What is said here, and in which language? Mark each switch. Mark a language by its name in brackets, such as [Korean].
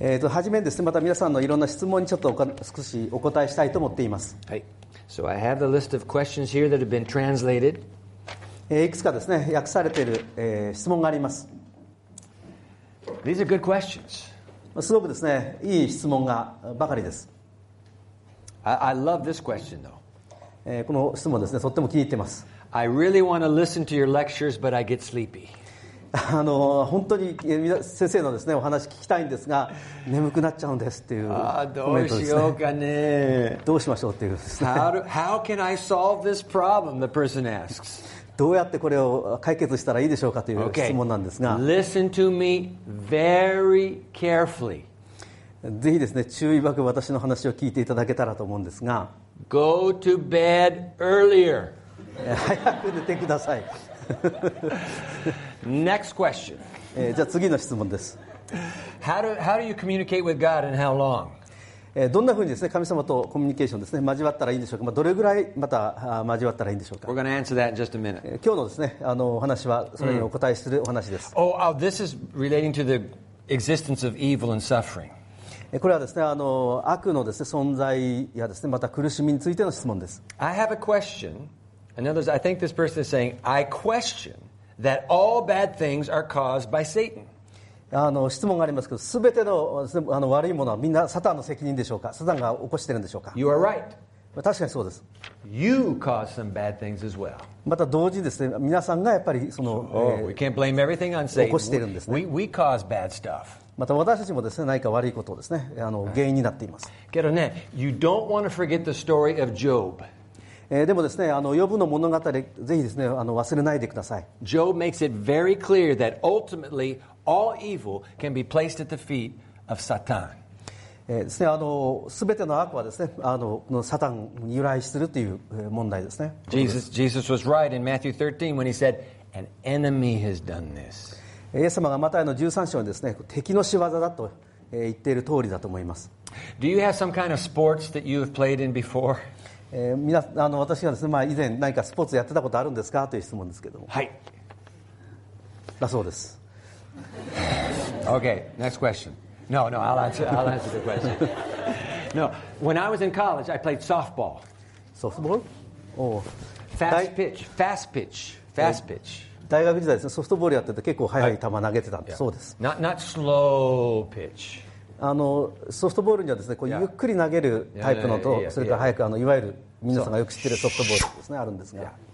[Japanese] 初めにですね、また皆さんのいろんな質問にちょっと少しお答えしたいと思っています。はい。 [English] So I have the list of questions here that have been translated. [Japanese] いくつかですね、訳されている、質問があります。 [English] These are good questions. [Japanese] すごくですね、いい質問がばかりです。 [English] I love this question though. [Japanese] この質問ですね、とっても気に入っています。 [English] I really want to listen to your lectures, but I get sleepy. [Japanese] 本当に先生のですね、お話聞きたいんですが、眠くなっちゃうんですっていうコメントですね。どうしようかね。どうしましょうっていうですね。 [English] How can I solve this problem? The person asks. [Japanese] どうやってこれを解決したらいいでしょうかという質問なんですが。 [English] Okay. Listen to me very carefully. [Japanese] ぜひですね、注意深く私の話を聞いていただけたらと思うんですが。 [English] Go to bed earlier. [Japanese] 早く寝てください。 [English] Next question. [Japanese] じゃあ次の質問です。 [English] How do you communicate with God and how long? [Japanese] どんなふうにですね、神様とコミュニケーションですね、交わったらいいんでしょうか。まあ、どれぐらいまた交わったらいいんでしょうか。 [English] We're going to answer that in just a minute. [Japanese] 今日のですね、お話はそれにお答えするお話です。 [English] Oh, this is relating to the existence of evil and suffering. [Japanese] これはですね、悪のですね、存在やですね、また苦しみについての質問です。 [English] I have a question. In other words, I think this person is saying, I question that all bad things are caused by Satan. [Japanese] 質問がありますけど、すべての、悪いものはみんなサタンの責任でしょうか、サタンが起こしてるんでしょうか。 [English] You are right. [Japanese] 確かにそうです。 [English] You cause some bad things as well. [Japanese] また同時にですね、皆さんがやっぱりその、 [English] we can't blame everything on Satan. [Japanese] 起こしてるんですね。 [English] We cause bad stuff. [Japanese] また私たちもですね、何か悪いことをですね、原因になっています。けどね、 [English] you don't want to forget the story of Job. [Japanese] でもですね、ヨブの物語、ぜひですね、忘れないでください。 [English] Job makes it very clear that ultimately all evil can be placed at the feet of Satan. [Japanese] ですね、全ての悪はですね、サタンに由来するという問題ですね。 [English] Jesus was right in Matthew 13 when he said, an enemy has done this. [Japanese] イエス様がマタイの13章にですね、敵の仕業だと言っている通りだと思います。 [English] Do you have some kind of sports that you've played in before? [Japanese] 私がですね、まあ、以前何かスポーツやってたことあるんですかという質問ですけども。はい。だそうです。 [English] Okay, next question. No, I'll answer the question. No, when I was in college, I played softball. [Japanese] ソフトボール? [English] Oh. Fast pitch. [Japanese] 大学時代ですね、ソフトボールやってて結構速い球投げてたんで、そうです。 [English] Not slow pitch. [Japanese] ソフトボールにはですね、こうゆっくり投げるタイプのと、それから速く、いわゆる皆さんがよく知ってるソフトボールですね、あるんですが。